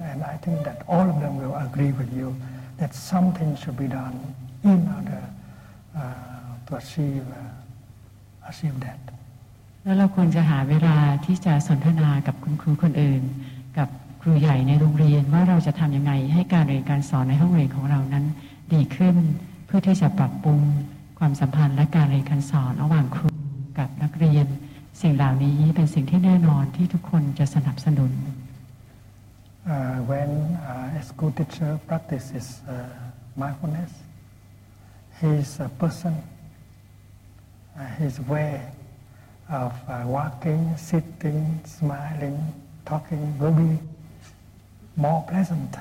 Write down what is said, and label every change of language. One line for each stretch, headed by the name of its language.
English: And I think that all of them will agree with you that something should be done in order to achieve that.
Thai: แล้วเราควรจะหาเวลาที่จะสนทนากับคุณครูคนอื่นกับครูใหญ่ในโรงเรียนว่าเราจะทำยังไงให้การเรียนการสอนในห้องเรียนของเรานั้นดีขึ้นเพื่อที่จะปรับปรุงความสัมพันธ์และการเรียนการสอนระหว่างครูกับนักเรียนสิ่งเหล่านี้เป็นสิ่งที่แน่นอนที่ทุกคนจะสนับสนุน
English: When a school teacher practices mindfulness, he's a person, he's aware of walking, sitting, smiling, talking will be more pleasant.